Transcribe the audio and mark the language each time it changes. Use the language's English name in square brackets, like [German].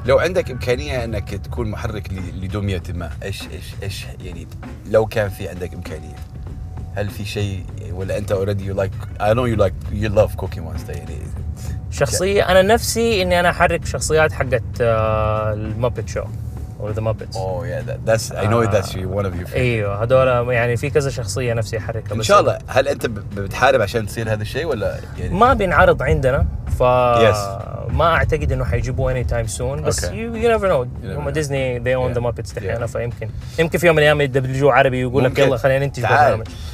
[Arabic] لو عندك امكانيه انك تكون محرك لدميه ما ايش ايش ايش يعني لو كان في عندك امكانيه هل في شيء ولا أنت [English] already you like I know you like you love Cookie Monster [Arabic] شخصية أنا نفسي إني أنا أحرك شخصيات حقت المابت شو [English] or the Muppets oh yeah that's I know that's you, one of your favorite [Arabic] أيوة هدول يعني في كذا شخصية نفسي أحركها إن شاء الله هل أنت بتحارب عشان تصير هذا الشيء ولا يعني ما بينعرض عندنا ف yes. ما أعتقد إنه حيجيبوا [English] any time soon [Arabic] بس okay. [English] you never know [Arabic] هم ديزني [English] they own yeah. the Muppets [Arabic] تحيانا [English] yeah. [Arabic] فيمكن يمكن في يوم من الأيام يدبلجوا عربي ويقول لك يلا خلينا ننتج برنامج